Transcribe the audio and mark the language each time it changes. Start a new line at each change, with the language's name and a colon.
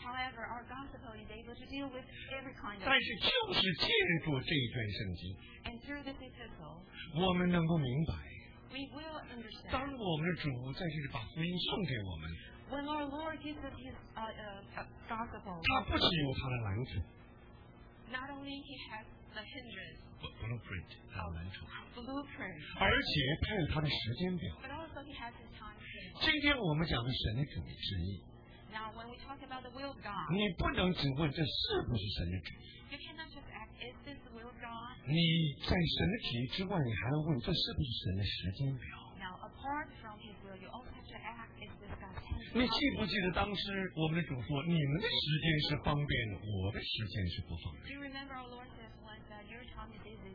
English: However, our gospel is able to deal with every kind of.
Chinese: 但是就是借助这一段圣经，
English: and through this epistle,
Chinese: 我们能够明白。
English: We will understand.
Chinese: 当我们的主在这里把福音送给我们，
English: when our Lord gives us His gospel,
Chinese: 他不仅有他的拦阻，
English: not only He has the hindrance.
Chinese: Blueprint, 他的蓝图。
English: Blueprint,
Chinese: 而且他有他的时间表。
English: But also he has his time frame.
Chinese: 今天我们讲的神的主意旨意。
English: Now when we talk about the will of God,
Chinese: 你不能只问这是不是神的旨意。
English: You cannot just ask, is this the will of God?
Chinese: 你在神的旨意之外，你还要问这是不是神的时间表。
English: Now apart from his will, you also have to ask, is this God's time
Chinese: frame? 你记不记得当时我们的主说，你们的时间是方便的，我的时间是不方便的。
English: Do you remember our Lord says once that your time is?